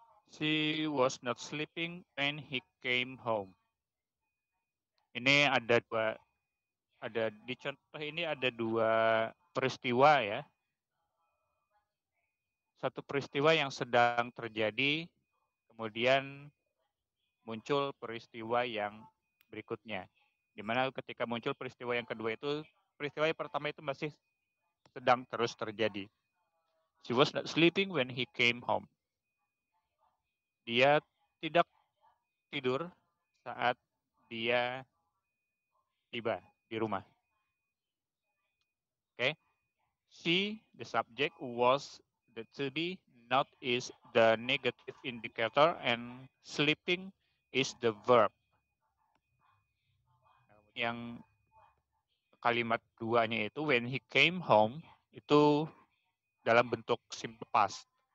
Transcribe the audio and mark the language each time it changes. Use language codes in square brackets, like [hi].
[en] She was not sleeping when he came home. [id] Ini ada dua, ada di contoh ini ada dua peristiwa ya. Satu peristiwa yang sedang terjadi, kemudian muncul peristiwa yang berikutnya. Dimana ketika muncul peristiwa yang kedua itu, peristiwa yang pertama itu masih sedang terus terjadi. [en] She was not sleeping when he came home. [id] Dia tidak tidur saat dia tiba di rumah. Oke. Okay. [en] She, the subject, was the to be, not is the negative indicator, and sleeping is the verb. [id] Yang kalimat duanya itu, [en] when he came home, [id] itu dalam bentuk simple past.